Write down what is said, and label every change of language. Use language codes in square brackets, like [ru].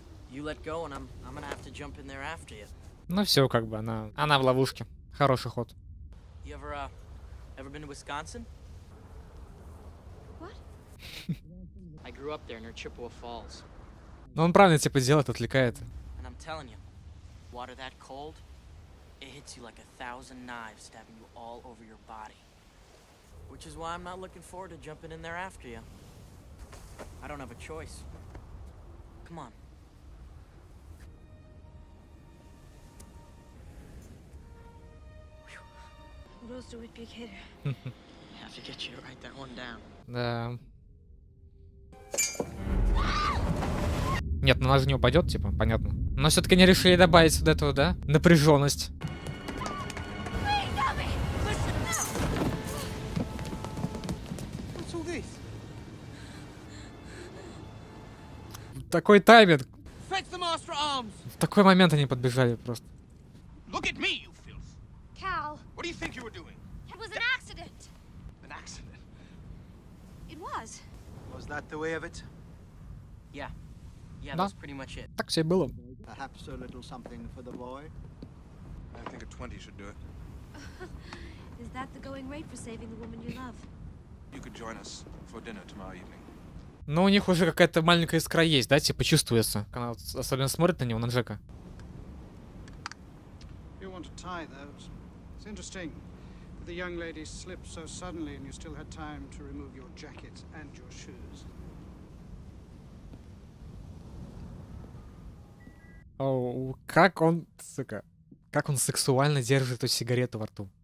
[en] You let go, and I'm gonna have to jump in there after you. [ru] Ну все, как бы она в ловушке. Хороший ход. [en] Ever been to Wisconsin? What? I grew up there near Chippewa Falls. [ru] Ну он правильно типа делает, отвлекает. [en] And I'm telling you, water that cold, it hits you like 1,000 knives stabbing you all over your body. Which is why I'm not looking forward to jumping in there after you. I don't have a choice. Come on, supposed to with big hitter. Have to get you to write that one down. [ru] Да. Нет, ну она же не упадет, типа, понятно. Но все-таки они решили добавить вот этого, да? Напряженность. Такой тайминг. Такой момент они подбежали просто. [en] Look at me, you filth. Cal. What do you think you were doing? It was an accident. An accident? It was. Was that the way of it? Yeah. Yeah, that's pretty much it. [ru] Так все было. [en] Perhaps a little something for the boy. I think a 20 should do it. Is that the going rate for saving the woman you love? You could join us for dinner tomorrow evening. [ru] Но у них уже какая-то маленькая искра есть, да, типа чувствуется. Она особенно смотрит на него, на Джека. [en] You want to tie those. It's interesting. The young lady slipped so suddenly and you still had time to remove your jacket and your shoes. [ru] Оу, как он сексуально держит эту сигарету во рту.